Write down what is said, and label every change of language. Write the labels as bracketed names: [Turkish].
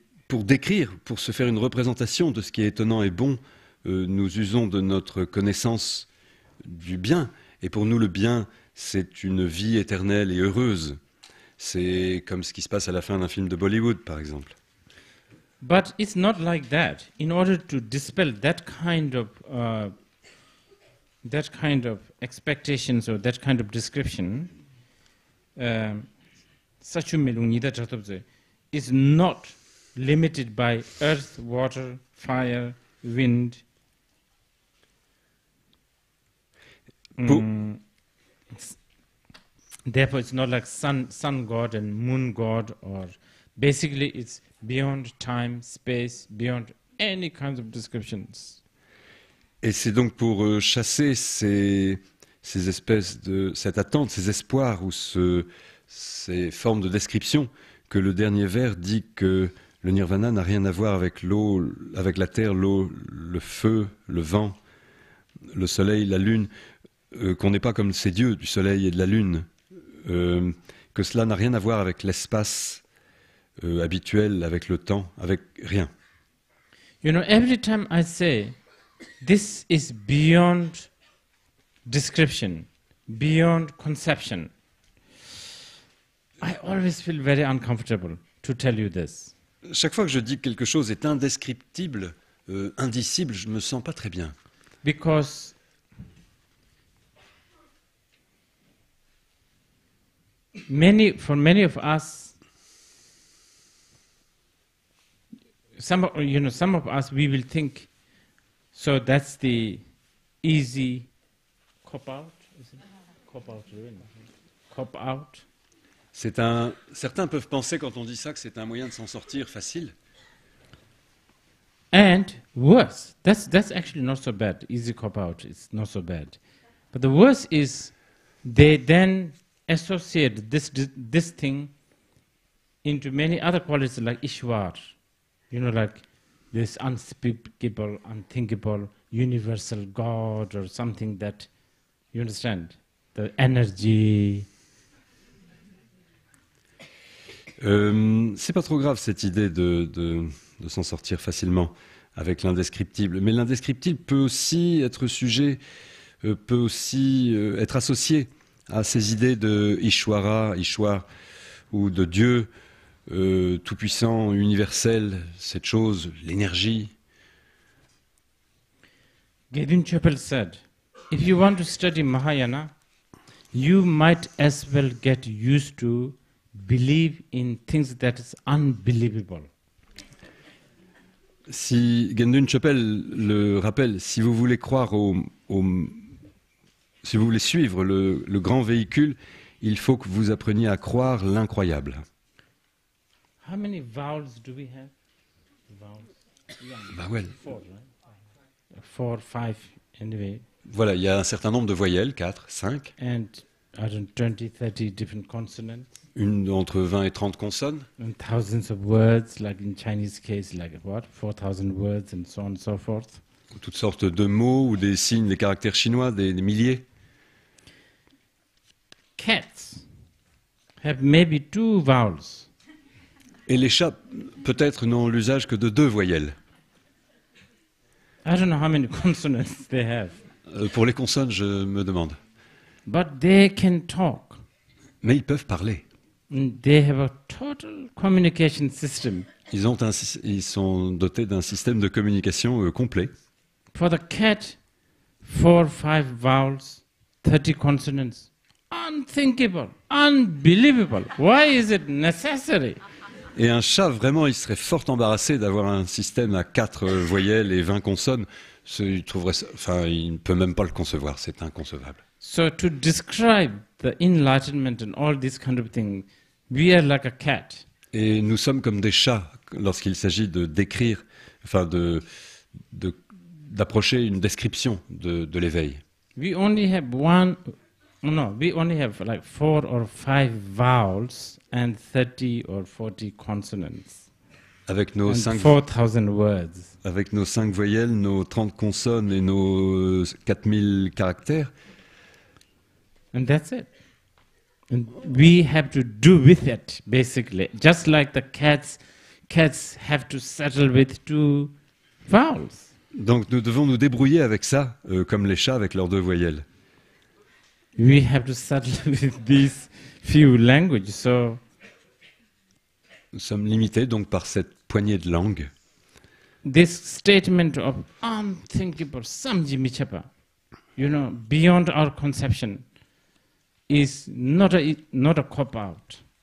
[French] pour décrire, pour se faire une représentation de ce qui est étonnant et bon, nous usons de notre connaissance du bien. Et pour nous, le bien, c'est une vie éternelle et heureuse. C'est comme ce qui se passe à la fin d'un film de Bollywood, par exemple. [English] But it's not like that. In order to dispel that kind of expectations or that kind of description, is not limited by earth, water, fire, wind. Therefore, it's not like sun god and moon god, or basically it's beyond time, space, beyond any kind of descriptions. [French] Et c'est donc pour chasser ces espèces de cette attente, ces espoirs ou ces formes de description que le dernier vers dit que le nirvana n'a rien à voir avec l'eau, avec la terre, l'eau, le feu, le vent, le soleil, la lune, qu'on n'est pas comme ces dieux du soleil et de la lune, que cela n'a rien à voir avec l'espace habituel, avec le temps, avec rien. [English] You know, every time I say this is beyond description, beyond conception, I always feel very uncomfortable to tell you this. [French] Chaque fois que je dis que quelque chose est indescriptible, indicible, je ne me sens pas très bien. [English] Because for many of us, some of us, we will think, so that's the easy cop-out, is it? Cop-out. [French] Certains peuvent penser quand on dit ça que c'est un moyen de s'en sortir facile. [English] And worse, that's actually not so bad. Easy cop out is not so bad. But the worst is they then associate this thing into many other qualities like Ishwar, you know, like this unspeakable, unthinkable, universal God or something that, you understand, the energy. [French] C'est pas trop grave cette idée de s'en sortir facilement avec l'indescriptible, mais l'indescriptible peut aussi être sujet, peut aussi être associé à ces idées de Ishwara, Ishwar, ou de Dieu tout-puissant, universel, cette chose, l'énergie. [English] Gedin Chöpel said, if you want to study Mahayana, you might as well get used to believe in things that is unbelievable. [French] Si Gendun Chöpel le rappelle, si vous voulez croire si vous voulez suivre le grand véhicule, il faut que vous appreniez à croire l'incroyable. [English] How many vowels do we have? Vowels. Vowel. Four, five, anyway. [French] Voilà, il y a un certain nombre de voyelles, 4, 5. [English] And I don't know, 20, 30 different consonants. [French] Une entre 20 et 30 consonnes. [English] And thousands of words, like in Chinese case, like what? 4,000 words and so on and so forth. [French] Toutes sortes de mots ou des signes, des caractères chinois, des milliers. [English] Cats have maybe two vowels. [French] Et les chats, peut-être, n'ont l'usage que de deux voyelles. [English] I don't know how many consonants they have. [French] Pour les consonnes, je me demande. [English] But they can talk. [French] Mais ils peuvent parler. [English] They have a total communication system. [French] Ils sont dotés d'un système de communication complet. [English] For the cat, 4 or 5 vowels, 30 consonants. Unthinkable, unbelievable. Why is it necessary? [French] Et un chat, vraiment, il serait fort embarrassé d'avoir un système à 4 voyelles et 20 consonnes. Il ne peut même pas le concevoir, c'est inconcevable. [English] So to describe the enlightenment and all these kind of things, we are like a cat. [French] Et nous sommes comme des chats lorsqu'il s'agit de décrire, enfin d'approcher une description de l'éveil. [English] We only have like 4 or 5 vowels and 30 or 40 consonants. [French] Avec nos [English] 4,000 words. [French] Avec nos 5 voyelles, nos 30 consonnes et nos 4,000 caractères. [English] And that's it. And we have to do with it, basically. Just like the cats cats have to settle with two vowels. [French] Donc nous devons nous débrouiller avec ça, comme les chats avec leurs deux voyelles. [English] We have to settle with these few languages, so. [French] Nous sommes limités donc par cette poignée de langues. [English] This statement of unthinkable samjimichapa, you know, beyond our conception, is not a cop out.